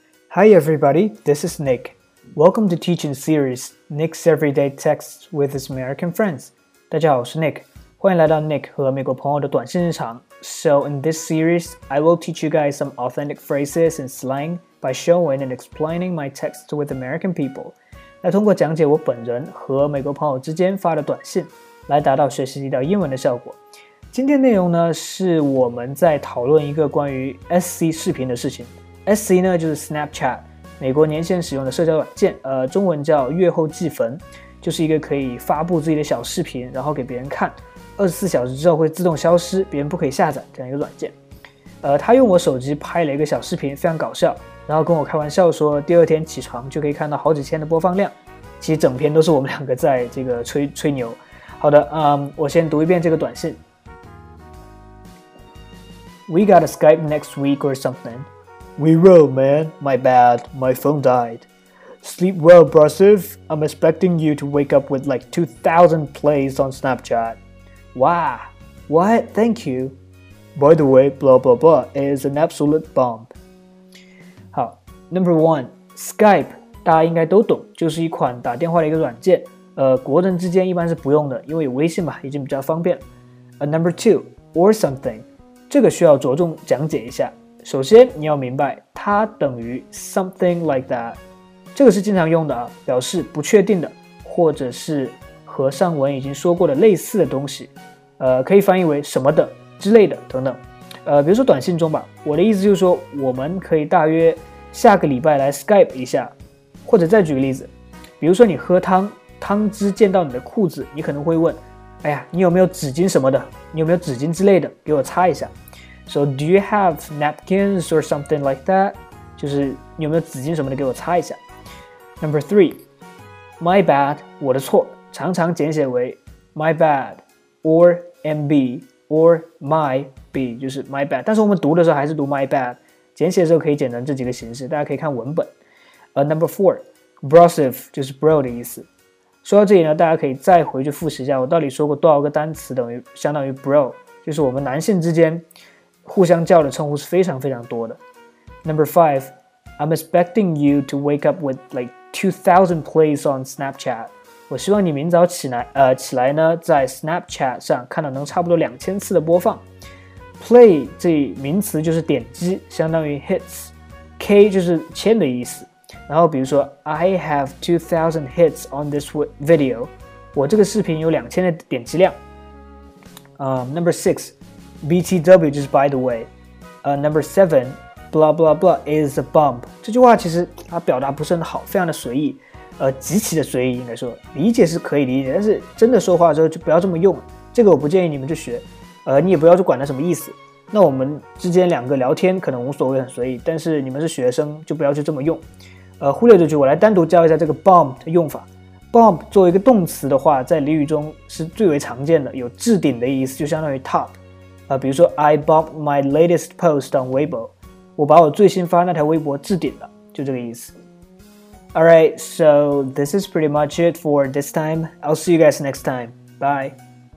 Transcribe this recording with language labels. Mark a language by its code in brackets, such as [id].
[en] Hi everybody, this is Nick. Welcome to teaching series Nick's Everyday Texts with his American Friends. [zh] 大家好，我是 Nick， 欢迎来到 Nick 和美国朋友的短信日常。 [en] So in this series, I will teach you guys some authentic phrases and slang by showing and explaining my texts with American people. [zh] 来通过讲解我本人和美国朋友之间发的短信，来达到学习一道英文的效果。今天内容呢，是我们在讨论一个关于 SC 视频的事情。 SC 呢就是 Snapchat， 美国年轻人使用的社交软件，中文叫月后祭坟，就是一个可以发布自己的小视频，然后给别人看，24小时之后会自动消失，别人不可以下载这样一个软件。他用我手机拍了一个小视频，非常搞笑，然后跟我开玩笑说第二天起床就可以看到好几千的播放量，其实整篇都是我们两个在这个吹牛。好的，我先读一遍这个短信。 [en] We gotta Skype next week or something. We will, man. My bad. My phone died. Sleep well, Brusiv. I'm expecting you to wake up with like 2,000 plays on Snapchat. Wow. What? Thank you. By the way, blah blah blah is an absolute bomb. [zh] 好 , Number one, Skype, 大家应该都懂，就是一款打电话的一个软件。国人之间一般是不用的，因为微信嘛，已经比较方便了。 Number two, or something, 这个需要着重讲解一下。首先你要明白它等于 something like that，这个是经常用的啊，表示不确定的或者是和上文已经说过的类似的东西，可以翻译为什么的之类的等等。比如说短信中吧，我的意思就是说我们可以大约下个礼拜来 Skype 一下。或者再举个例子，比如说你喝汤，汤汁溅到你的裤子，你可能会问，哎呀，你有没有纸巾什么的，你有没有纸巾之类的给我擦一下。 [en] So do you have napkins or something like that? [zh] 就是你有没有纸巾什么的给我擦一下。 Number three, my bad, 我的错，常常简写为 my bad, or MB, or my B, 就是 my bad, 但是我们读的时候还是读 my bad, 简写的时候可以简单这几个形式，大家可以看文本。 Number four, brosive, 就是 bro 的意思。说到这里呢，大家可以再回去复习一下我到底说过多少个单词等于相当于 bro, 就是我们男性之间互相叫的称呼是非常非常多的。 [en] Number five, I'm expecting you to wake up with like 2,000 plays on Snapchat. [zh] 我希望你明早起来呢，在 Snapchat 上看到能差不多2000次的播放。 Play 这名词就是点击，相当于 hits。 K 就是千的意思。 [en] 然后比如说 ，I have 2,000 hits on this video. [zh] 我这个视频有2000的点击量。 [en] Number six. BTW 就是 by the way, number seven, blah blah blah is a bomb. [zh] 这句话其实它表达不是很好，非常的随意，极其的随意应该说，理解是可以理解，但是真的说话之后就不要这么用。这个我不建议你们去学，你也不要去管它什么意思。那我们之间两个聊天可能无所谓很随意，但是你们是学生就不要去这么用。忽略这句，我来单独教一下这个 bomb 的用法。Bomb 作为一个动词的话，在俚语中是最为常见的，有置顶的意思，就相当于 top。比如说 I bombed my latest post on Weibo，我把我最新发那条微博置顶了，就这个意思。 [en] Alright, so this is pretty much it for this time. I'll see you guys next time. Bye.